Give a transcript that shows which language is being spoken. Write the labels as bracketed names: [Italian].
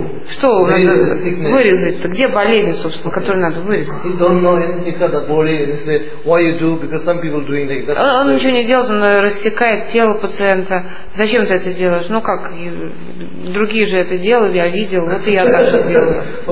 [Russian] Что надо вырезать? Где болезнь, собственно, которую надо вырезать? [English] He don't know and he cut the body and he said, why you do? Because some people doing like that. [Russian] Он ничего не делает, он рассекает тело пациента. Зачем ты это делаешь? Ну как, другие же это делали, я видел, вот и я так же делаю.